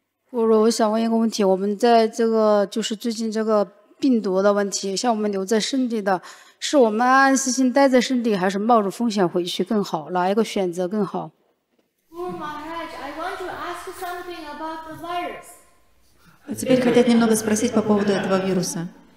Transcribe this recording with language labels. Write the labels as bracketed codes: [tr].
[zh] Guru, 我想问一个问题，我们在这个就是最近这个病毒的问题，像我们留在身体的，是我们安安心心待在身体，还是冒着风险回去更好？哪一个选择更好？ [en] Guru Maharaj, I want to ask you something about the virus. [ru] Теперь хотят немного спросить по поводу этого вируса.